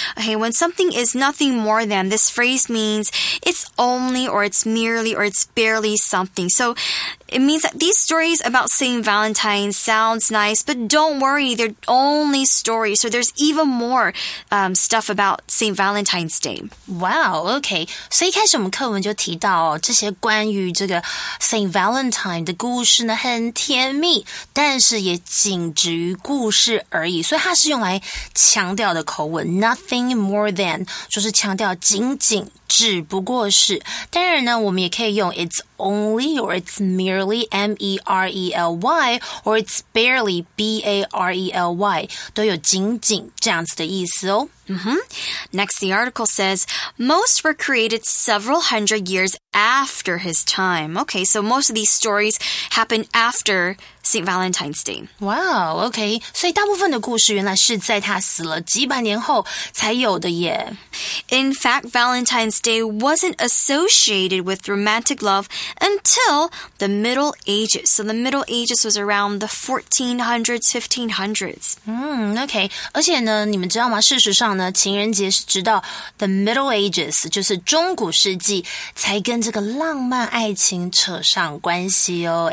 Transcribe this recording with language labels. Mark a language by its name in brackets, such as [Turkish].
[English] Okay, when something is nothing more than, this phrase means it's only or it's merely or it's barely something. So it means that these stories about St. Valentine sounds nice, but don't worry, they're only stories. So there's even more stuff about St. Valentine's Day. Wow, okay. [Chinese] 所以一开始我们课文就提到这些关于这个 St. Valentine 的故事呢很甜蜜，但是也仅止于故事而已。所以它是用来强调的口吻， [English] nothing more than [Chinese] 就是强调仅仅。只不过是，当然呢，我们也可以用 [English] it's only or it's merely merely or it's barely barely [Chinese] 都有仅仅这样子的意思哦。 [English] Next, the article says, most were created several hundred years after his time. Okay, so most of these stories happened after St. Valentine's Day. Wow, okay. [Chinese] 所以大部分的故事原来是在他死了几百年后才有的耶。 [English] In fact, Valentine's Day wasn't associated with romantic love until the Middle Ages. So the Middle Ages was around the 1400s, 1500s. [Chinese] Okay. 而且呢，你们知道吗？事实上呢， 情人节是直到 [English] the Middle Ages， [Chinese] 就是中古世纪才跟这个浪漫爱情扯上关系哦。